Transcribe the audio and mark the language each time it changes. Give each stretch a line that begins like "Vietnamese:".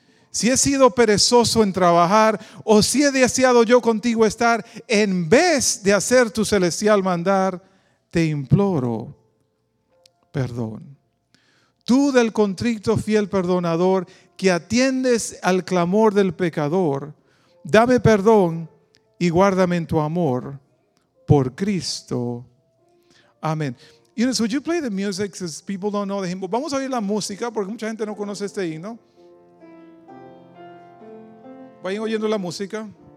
Spanish: Si he sido perezoso en trabajar, o si he deseado yo contigo estar, en vez de hacer tu celestial mandar, te imploro perdón. Tú del contrito fiel perdonador, que atiendes al clamor del pecador, dame perdón y guárdame en tu amor por Cristo. Amén.
English: Eunice, would you play the music since people don't know the hymn?
Spanish: Vamos a oír la música porque mucha gente no conoce este himno. Vayan oyendo la música.